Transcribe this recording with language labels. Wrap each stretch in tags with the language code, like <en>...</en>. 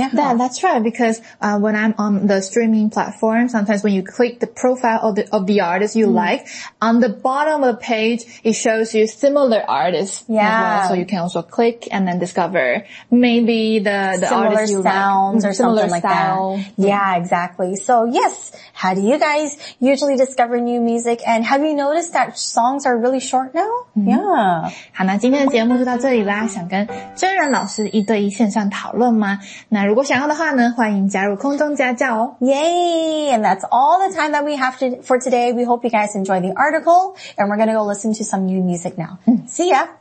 <en>That's right, because when I'm on the streaming platform, sometimes when you click the profile of the artist you like, on the bottom of the page it shows you similar artists as well. So you can also click and then discover maybe the similar artist sounds you like. Or similar something style. Like that. Yeah, exactly. So yes, how do you guys usually discover new music? And have you noticed that songs are really short now? Yeah.</en> <zh>好，那今天的节目就到这里啦。想跟真人老师一对一线上讨论吗？那如果想要的话呢，欢迎加入空中家教哦。</zh> <en>Yay! And that's all the time that we have for today. We hope you guys enjoy the article. And we're going to go listen to some new music now. See ya!</en>